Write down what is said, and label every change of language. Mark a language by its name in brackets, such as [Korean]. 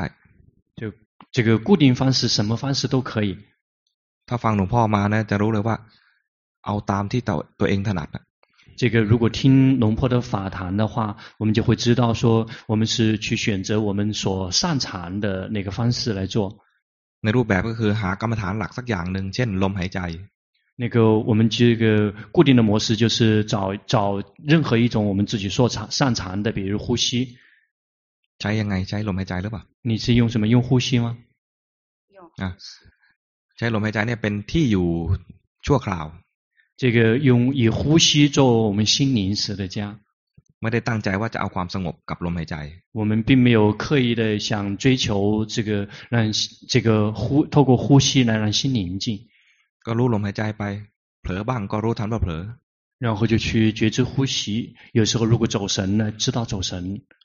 [Chinese] 这个固定方式什么方式都可以 [Thai] ถ้าฟังหลวงพ่อมานะจะรู้เลยว่าเอาตามที่ตัวเองถนัด [Chinese] 这个如果听龙婆的法谈的话我们就会知道说我们是去选择我们所擅长的那个方式来做 [Thai] ในรูปแบบก็คือหากรรมฐานหลักสักอย่างหนึ่งเช่นลมหายใจ [Chinese] 那个我们这个固定的模式就是找任何一种我们自己所擅长的比如呼吸 [Thai] ใช้ยังไงใช้ลมหายใจหรือเปล่า [Chinese] 你是用什么用呼吸吗用 [Thai] ใช้ลมหายใจเนี่ยเป็นที่อยู่ชั่วคราว [Chinese] 这个用以呼吸做我们心临时的家 [Thai] ไม่ได้ตั้งใจว่าจะเอาความสงบกับลมหายใจ [Chinese] 我们并没有刻意的想追求这个让这个呼透过呼吸来让心宁静 [Thai] ก็รู้ลมหายใจไปเผลอบ้างก็รู้ทันว่าเผลอ [Chinese] 然后就去觉知呼吸有时候如果走神呢知道走神